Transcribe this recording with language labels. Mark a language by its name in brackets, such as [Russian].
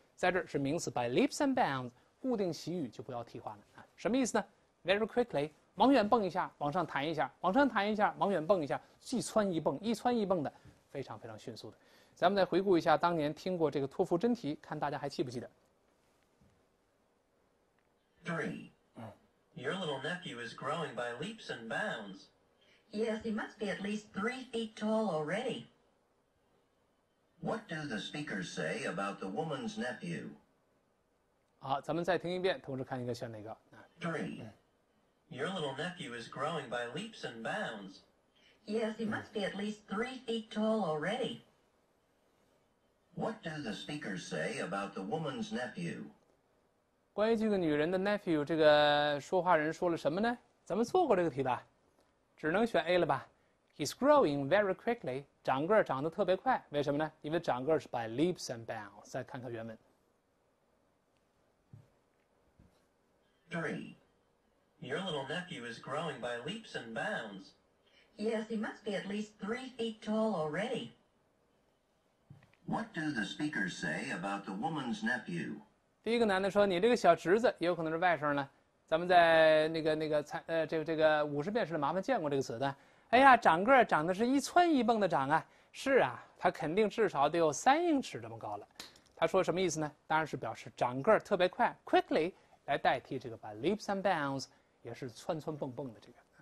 [Chinese] 在这儿是名词 [English] by leaps and bounds， [Chinese] 固定习语就不要替换了啊。什么意思呢 ？ [English] Very quickly， [Chinese] 往远蹦一下，往上弹一下，往上弹一下，往远蹦一下，一蹿一蹦，一蹿一蹦的，非常非常迅速的。咱们再回顾一下当年听过这个托福真题，看大家还记不记得 [English] ？Three. Your little nephew is growing by leaps and bounds. Yes, he must be at least 3 feet tall already. What do the speakers say about the woman's nephew? [Chinese] 好，咱们再听一遍，同时看一个选哪个。 [English] Three. Your little nephew is growing by leaps and bounds. Yes, he must be at least 3 feet tall already. What do the speakers say about the woman's nephew? [Chinese] 关于这个女人的 nephew， 这个说话人说了什么呢？咱们做过这个题吧，只能选 A 了吧。 [English] He's growing very quickly. [Chinese] 长个长得特别快，为什么呢？因为长个是 [English] by leaps and bounds. [Chinese] 再看看原文。 [English] Three. Your little nephew is growing by leaps and bounds. Yes, he must be at least 3 feet tall already. What do the speakers say about the woman's nephew? [Chinese] 第一个男的说：“你这个小侄子，也有可能是外甥呢。” 咱们在那个五十遍式的麻烦见过这个词的。哎呀，长个长得是一蹿一蹦的长啊！是啊，他肯定至少得有3英尺这么高了。他说什么意思呢？当然是表示长个特别快 ，quickly 来代替这个 [English] by leaps and bounds， [Chinese] 也是蹿蹿蹦蹦的这个。